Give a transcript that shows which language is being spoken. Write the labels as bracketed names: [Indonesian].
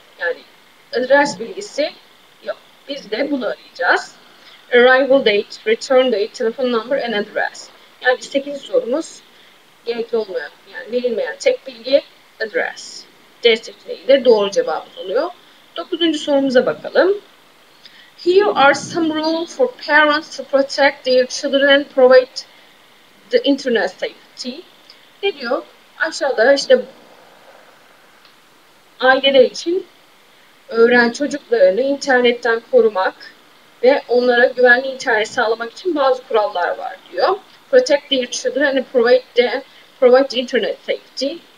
[Turkish] Yani adres bilgisi yok. Biz de bunu arayacağız. [English] Arrival date, return date, telefon number and address. [Turkish] Yani [English] 8. [Turkish] sorumuz gerekli olmayan, yani verilmeyen tek bilgi address. D seçeneği de doğru cevabımız oluyor. 9. sorumuza bakalım. [English] Here are some rules for parents to protect their children and provide the internet safety. [Turkish] Ne diyor? Aşağıda işte aileler için öğren çocuklarını internetten korumak ve onlara güvenli internet sağlamak için bazı kurallar var diyor. [English] Protect their children and provide the internet safety.